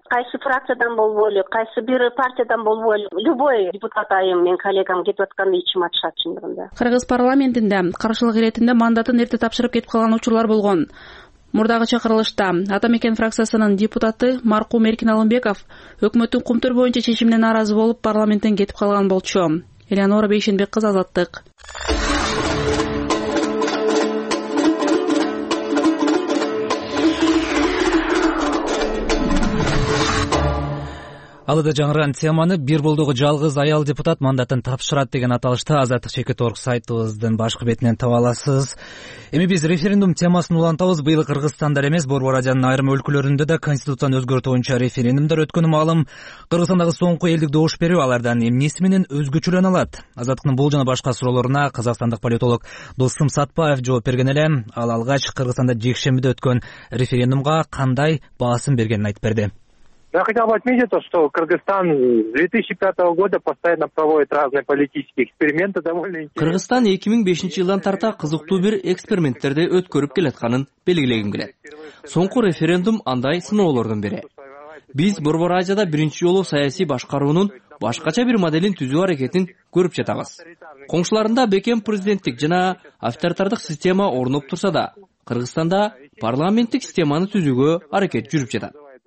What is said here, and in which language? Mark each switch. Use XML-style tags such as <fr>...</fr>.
<ky>Кайсы фракциядан болбой эле, кайсы бир партиядан болбой эле, любой депутат айым мен коллегам кетип атканда ичим ачышат чындыгында. Кыргыз парламентинде каршылык иретинде мандатын эрте тапшырып кетип калган учурлар болгон. Мурдагы чакырылышта Атамекен фракциясынын депутаты Маркум Эркин Алымбеков өкмөттүн кумтур боюнча чечимине нааразы болуп парламенттен кетип калган болчу. Элеонора Бейшенбек кызы Азаттык. Алыда жаңырган теманы бир болдугу жалгыз аял депутат мандатын тапшырат деген аталышта Азаттык Чекит.org сайтыбыздын башкы бетинен таба аласыз. Эми биз референдум темасын улантабыз. Быйыл Кыргызстанда эле эмес, Борбор Азиянын айрым өлкөлөрүндө да конституцияны өзгөртүү боюнча референдумдар өткөнү маалым. Кыргызстандагы соңку элдик добуш берүү алардан эмнеси менен өзгөчөлөнө алат? Азаттыктын бул жана башка суроолоруна казакстандык политолог Досым Сатпаев жооп берген эле. Ал алгач Кыргызстанда жекшембиде өткөн референдумга кандай баасын бергенин айтып берди.</ky> <ru>Я хотел бы отметить то, что Кыргызстан с 2005 года постоянно проводит разные политические эксперименты.</ru> <ky>Кыргызстан 2005 жылдан тарта кызыктуу бир эксперименттерди өткөрүп келатканын белгилегим келет. Соңку референдум андай сыноолордун бири. Биз Борбор Азияда биринчи жолу саясий башкаруунун башкача бир моделин түзүү аракетин көрүп жатабыз. Коңшуларында бекем президенттик жана авторитардык система орноп турса да, Кыргызстанда парламенттик системаны түзүүгө аракет жүрүп жатат.</ky>